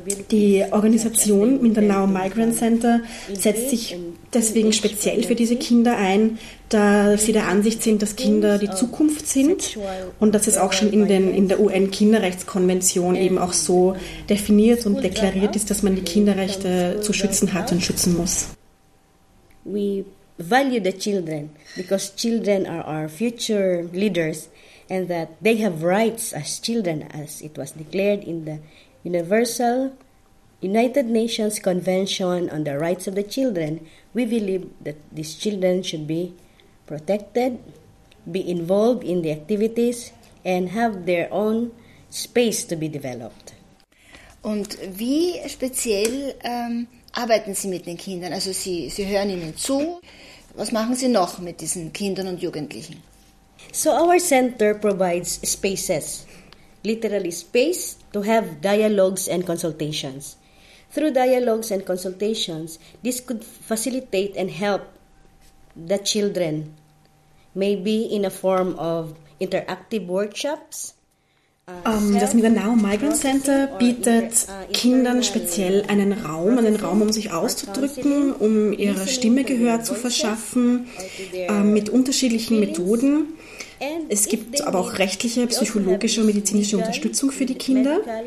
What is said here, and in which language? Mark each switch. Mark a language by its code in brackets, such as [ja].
[de] Die Organisation Mindanao Migrant Center setzt sich deswegen speziell für diese Kinder ein, da sie der Ansicht sind, dass Kinder die Zukunft sind und dass es auch schon in der UN-Kinderrechtskonvention eben auch so definiert und deklariert ist, dass man die Kinderrechte zu schützen hat und schützen muss. [en] We value the children because children are our future leaders. And that they have rights as children, as it was declared in the Universal United Nations Convention on the Rights of the Children. We believe that these children should be protected, be involved in the activities, and have their own space to be developed. [de] Und wie speziell arbeiten Sie mit den Kindern? Also Sie hören ihnen zu. Was machen Sie noch mit diesen Kindern und Jugendlichen? [en] So our center provides spaces, literally space, to have dialogues and consultations. Through dialogues and consultations, this could facilitate and help the children, maybe in a form of interactive workshops. [de] Das Mindanao Migrant Center bietet Kindern speziell einen Raum, um sich auszudrücken, um ihrer Stimme Gehör zu verschaffen, mit unterschiedlichen Methoden. Es gibt aber auch rechtliche, psychologische und medizinische Unterstützung für die Kinder.